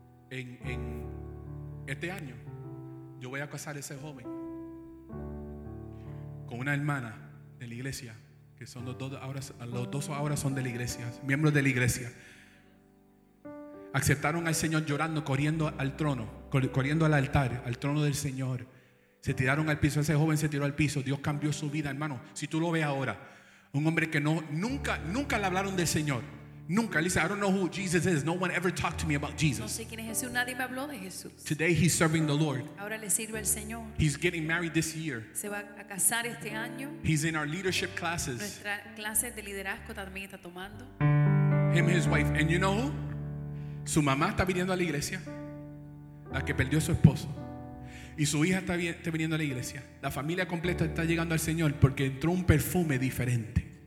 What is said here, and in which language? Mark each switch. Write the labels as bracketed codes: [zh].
[es] En este año, yo voy a casar a ese joven con una hermana de la iglesia, que son los dos ahora son de la iglesia, miembros de la iglesia. Aceptaron al Señor llorando, corriendo al trono, corriendo al altar, al trono del Señor. Se tiraron al piso, ese joven se tiró al piso. Dios cambió su vida, hermano. Si tú lo ves ahora. Un hombre que no, nunca le hablaron del Señor. Nunca. Él dice, [en] I don't know who Jesus is. No one ever talked to me about Jesus. [es] No sé quién es Jesús. Nadie me habló de Jesús. [en] Today he's serving the Lord. [es] Ahora le sirve al Señor. [en] He's getting married this year. [es] Se va a casar este año. [en] He's in our leadership classes. [es] Nuestra clase de liderazgo también está tomando. [en] Him, his wife. And you know who? [es] Su mamá está viniendo a la iglesia. La que perdió a su esposo. Y su hija está viniendo a la iglesia. La familia completa está llegando al Señor porque entró un perfume diferente.